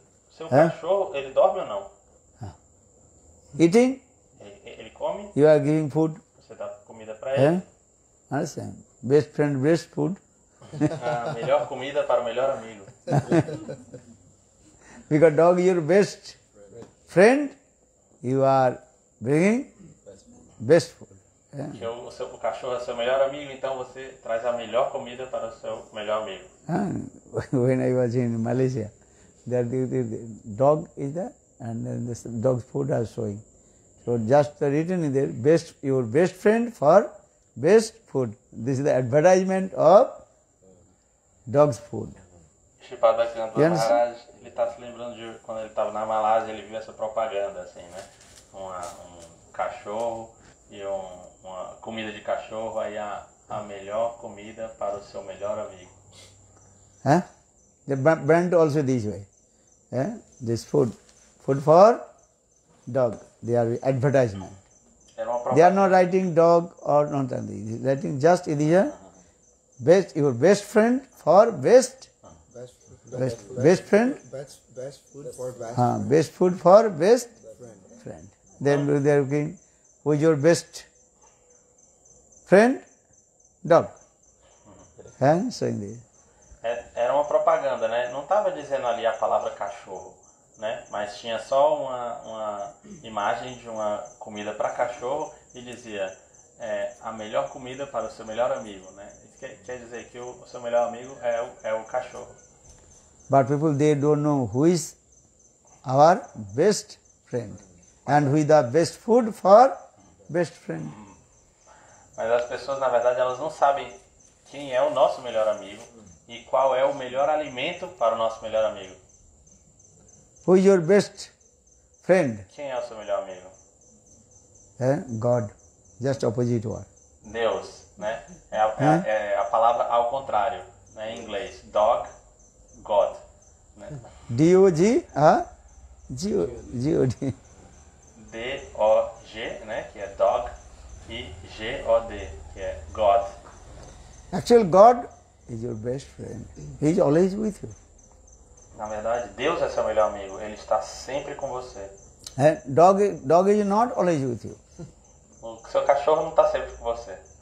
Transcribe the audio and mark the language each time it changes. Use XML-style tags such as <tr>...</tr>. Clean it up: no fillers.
<pt>Seu cachorro, ele dorme ou não?</pt> <en>Eating?</en> <pt>Ele come?</pt> <en>You are giving food?</en> <pt>Você dá comida para ele?</pt> <en>Understand? Best friend, best food.</en> <pt>A melhor comida para o melhor amigo.</pt> <en>Because dog your best friend, you are bringing best food.</en> <pt>O seu cachorro é seu melhor amigo, então você traz a melhor comida para o seu melhor amigo.</pt> <en>When I was in Malaysia, the dog is there, and then the dog's food are showing. So just written in there, best your best friend for best food. This is the advertisement of dog's food.</en> <pt>Shripada Bhaktivedanta Maharaj, ele está se lembrando de quando ele estava na Malásia, ele viu essa propaganda, assim, né? Um cachorro e uma comida de cachorro, aí a melhor comida para o seu melhor amigo.</pt> <en>Huh? The brand also this way. Yeah? This food. Food for dog. They are advertisement. They are not writing dog or not. They are writing just in here. Best your best friend for best. Best friend. Best food for best. Best friend. Then they are looking with your best friend dog. And so in this.</en> <pt>Era uma propaganda, né? Não estava dizendo ali a palavra cachorro. Né? Mas tinha só uma imagem de uma comida para cachorro e dizia a melhor comida para o seu melhor amigo, né? Quer dizer que o seu melhor amigo é o cachorro.</pt> <en>But people they don't know who is our best friend and who is the best food for best friend.</en> <pt>Mas as pessoas na verdade elas não sabem quem é o nosso melhor amigo e qual é o melhor alimento para o nosso melhor amigo.</pt> <en>Who is your best friend?</en> <pt>Quem é o seu melhor amigo?</pt> <en>God. Just opposite word.</en> <pt>Deus, né? É a palavra ao contrário, né? Em inglês. Dog, God. Né? D-O-G, G-O-D. D-O-G, né? Que é dog. E G-O-D, que é God.</pt> <en>Actually, God is your best friend. He is always with you.</en> <pt>Na verdade, Deus é seu melhor amigo. Ele está sempre com você.</pt> <en>Dog is not always with you.</en> <pt>O seu cachorro não está sempre com você.</pt>